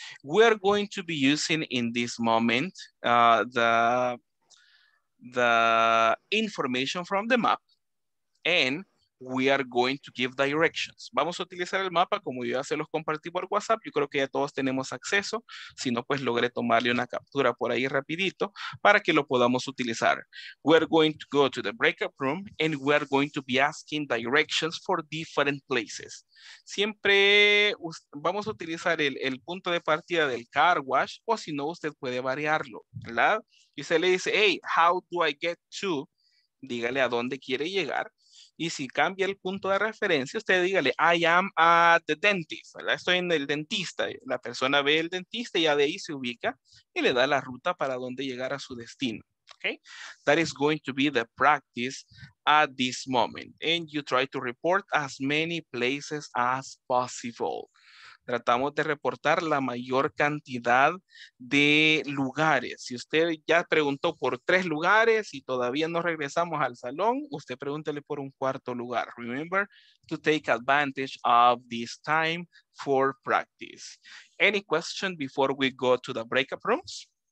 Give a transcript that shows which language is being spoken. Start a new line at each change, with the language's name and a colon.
English: We are going to be using in this moment the information from the map and we are going to give directions.
Spanish: Vamos a utilizar el mapa como yo ya se los compartí por WhatsApp. Yo creo que ya todos tenemos acceso. Si no, pues logré tomarle una captura por ahí rapidito para que lo podamos utilizar.
English: We are going to go to the breakout room and we are going to be asking directions for different places.
Spanish: Siempre vamos a utilizar el punto de partida del car wash o si no, usted puede variarlo, ¿verdad? Y usted le dice,
English: hey, how do I get to?
Spanish: Dígale a dónde quiere llegar. Y si cambia el punto de referencia, usted dígale,
English: I am at the dentist,
Spanish: ¿verdad? Estoy en el dentista. La persona ve el dentista y ya de ahí se ubica y le da la ruta para dónde llegar a su destino.
English: Okay? That is going to be the practice at this moment. And you try to report as many places as possible.
Spanish: Tratamos de reportar la mayor cantidad de lugares. Si usted ya preguntó por tres lugares y todavía no regresamos al salón, usted pregúntele por un cuarto lugar.
English: Remember to take advantage of this time for practice. Any question before we go to the breakout rooms?